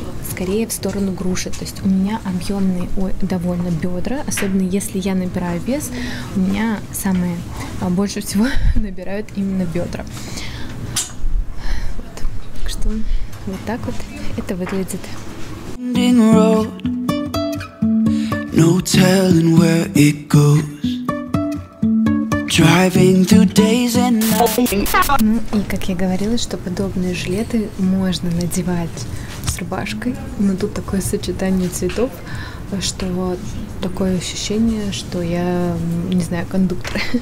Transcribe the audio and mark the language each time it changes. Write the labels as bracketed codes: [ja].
[ru] Скорее в сторону груши. То есть у меня объемные довольно бедра. Особенно если я набираю вес, у меня самые больше всего набирают именно бедра. Вот. Так что вот так вот это выглядит. [en] Road, no telling where it goes. Driving through days and nights. [ru] Ну и как я говорила, что подобные жилеты можно надевать с рубашкой, но тут такое сочетание цветов, что вот такое ощущение, что я, не знаю, кондуктор.